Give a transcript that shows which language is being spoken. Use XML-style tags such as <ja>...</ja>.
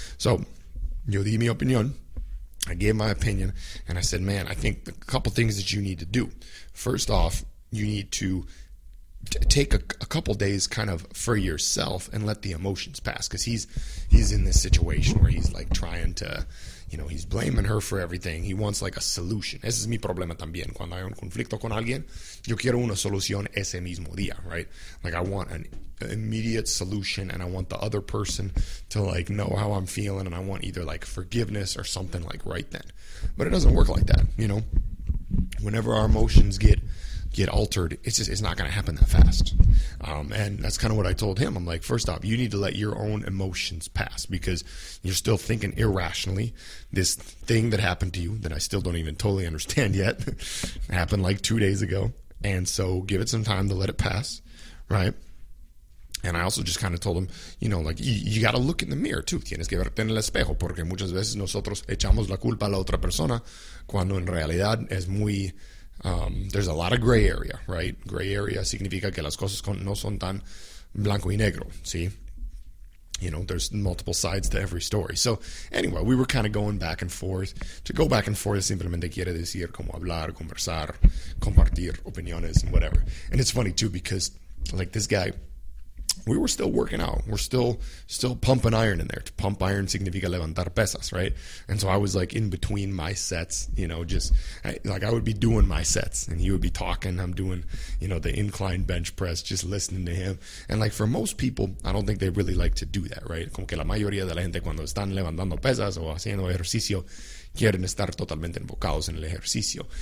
<en>So</en> <es>yo di mi opinión.</es> <en>I gave my opinion, and I said, man, I think a couple things that you need to do. First off, you need to take a couple days kind of for yourself and let the emotions pass. Because he's in this situation where he's like trying to, you know, he's blaming her for everything. He wants like a solution.</en> <es>Ese es mi problema también. Cuando hay un conflicto con alguien, yo quiero una solución ese mismo día, right?</es> <en>Like I want an immediate solution and I want the other person to like know how I'm feeling and I want either like forgiveness or something like right then. But it doesn't work like that, you know? Whenever our emotions get altered, it's not going to happen that fast. And that's kind of what I told him. I'm like, first off, you need to let your own emotions pass because you're still thinking irrationally. This thing that happened to you that I still don't even totally understand yet happened like 2 days ago. And so give it some time to let it pass, right? And I also just kind of told him, you know, like, you got to look in the mirror, too.</en> <es>Tienes que verte en el espejo, porque muchas veces nosotros echamos la culpa a la otra persona, cuando en realidad es muy,</es> <en>there's a lot of gray area, right?</en> <es>Gray area significa que las cosas no son tan blanco y negro, ¿sí?</es> <en>You know, there's multiple sides to every story. So, anyway, we were kind of going back and forth. To go back and forth</en> <es>simplemente quiere decir como hablar, conversar, compartir opiniones,</es> <en>and whatever. And it's funny, too, because, like, this guy... we were still working out. We're still pumping iron in there. To pump iron</en> <es>significa levantar pesas,</es> <en>right? And so I was like in between my sets, you know, just I would be doing my sets and he would be talking. I'm doing, you know, the incline bench press, just listening to him. And like for most people, I don't think they really like to do that, right?</en> <es>Como que la mayoría de la gente cuando están levantando pesas o haciendo ejercicio quieren estar totalmente enfocados en el ejercicio.</es>